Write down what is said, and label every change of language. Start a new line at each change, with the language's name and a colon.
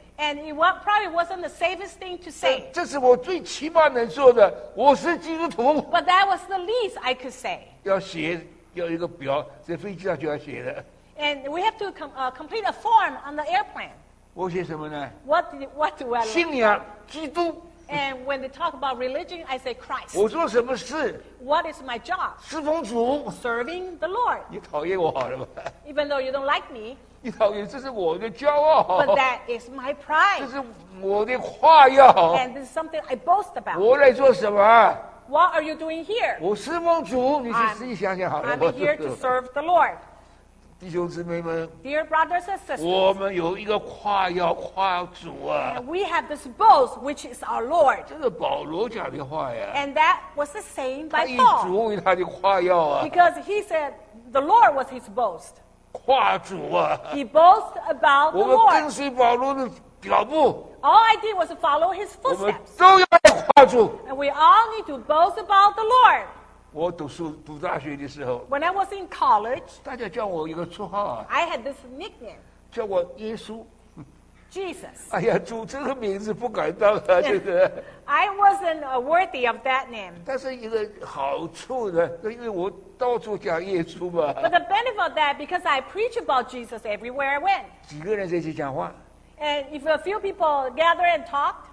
English: And it probably wasn't the safest thing to say.
Chinese: 这是我最起码能做的，我是基督徒。
English: But that was the least I could say.
Chinese: 要写，要一个表，在飞机上就要写的。
English: And we have to complete a form on the airplane.
Chinese: 我写什么呢
English: ？What do I?
Chinese: 信仰，基督。
English: And when they talk about religion, I say Christ.
Chinese: 我做什么事
English: ？What is my job?
Chinese: 侍奉主。
English: Serving the Lord.
Chinese: 你讨厌我好了吗
English: ？Even though you don't like me.
Chinese: 你讨厌，这是我的骄傲。
English: But that is my pride.
Chinese: 这是我的夸耀。
English: And this is something I boast about.
Chinese: 我来做什么
English: ？What are you doing here?
Chinese: 我侍奉主，你去自己想想好了。
English: I'm here to serve the Lord.
Chinese: 弟兄姊妹们
English: ，Dear brothers and sisters，
Chinese: 我们有一个夸耀夸主啊。
English: We have this boast which is our Lord。
Chinese: 这是保罗讲的话呀。
English: And that was the same by Paul。
Chinese: 他以主为他的夸耀啊。
English: Because he said the Lord was his boast。
Chinese: 夸主啊。
English: He boasts about the Lord。
Chinese: 我们跟随保罗的脚步。
English: All I did was follow his footsteps。
Chinese: 我们都要来夸主。
English: And we all need to boast about the Lord。
Chinese: 我读书读大学的时候
English: ，When I was in college，
Chinese: 大家叫我一个绰号
English: 啊 ，I had this nickname，
Chinese: 叫我耶稣
English: ，Jesus。
Chinese: 哎呀，主这个名字不敢当啊，这个。
English: I wasn't worthy of that name。
Chinese: 但是一个好处呢，因为我到处讲耶稣嘛。
English: But the benefit of that because I preach about Jesus everywhere I went。
Chinese: 几个人在一起讲话
English: ？And if a few people gather and talk。